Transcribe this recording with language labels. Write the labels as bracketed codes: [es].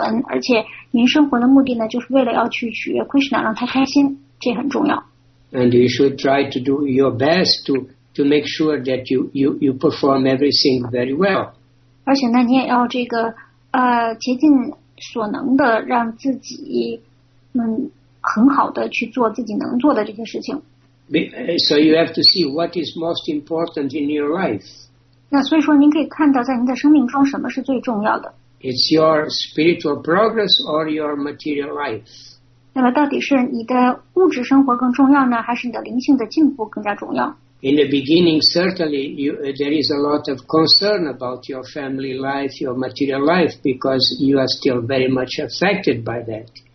[zh] 那么这里面有一个非常重要的一件事情呢，就是说你要明白的一件事情就是你是一个灵性的灵魂，而且您生活的目的呢，就是为了要去取悦 Krishna， 让他开心，这很重要。 [en] And you should try to do your best to make sure that you perform everything very well. [zh] 而且呢，你也要这个竭尽所能的让自己很好的去做自己能做的这些事情。 [en] So you have to see what is most important in your life. [zh] 那所以说，您可以看到，在您的生命中，什么是最重要的？ [en] It's your spiritual progress or your material life. [zh] 那么，到底是你的物质生活更重要呢，还是你的灵性的进步更加重要？ [en] In the beginning, certainly, there is a lot of concern about your family life, your material life, because you are still very much affected by that.